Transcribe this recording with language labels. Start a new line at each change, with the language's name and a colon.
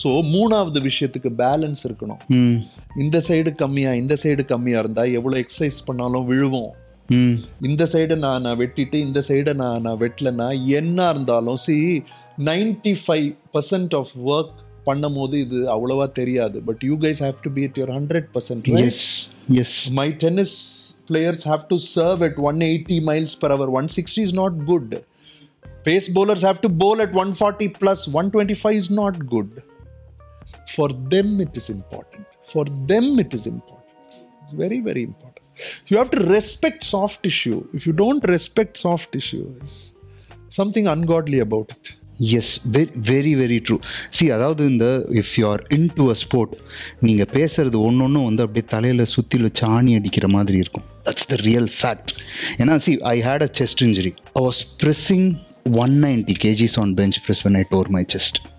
Tamil: So மூணாவது விஷயத்துக்கு balance இருக்கணும், இந்த சைடு கம்மியாக இந்த சைடு கம்மியாக இருந்தால் எவ்வளோ எக்ஸசைஸ் பண்ணாலும் விழுவோம், இந்த சைடை நான் வெட்டிட்டு இந்த சைடை நான் வெட்டலைன்னா என்ன இருந்தாலும்.
English: see, 95% of work
Tamil: பண்ணும் போது இது அவ்வளோவா தெரியாது,
English: But you guys have to be at your 100%. My tennis players have to serve at 180 miles per hour, 160 is not good. Pace bowlers have to bowl at 140+, 125 is not good. For them it is important. For them it is important. It's very, very important. You have to respect soft tissue. If you don't respect soft tissue, it's something ungodly about it. Yes, very, very true.
Tamil: See, அதாவது இந்த
English: if you are into a sport,
Tamil: நீங்கள் பேசுறது ஒன்று வந்து அப்படியே தலையில் சுற்றில சாணி அடிக்கிற மாதிரி இருக்கும்.
English: That's the real fact. ஏன்னா see, I had a chest injury. I was pressing 190 kgs on bench press when I tore my chest.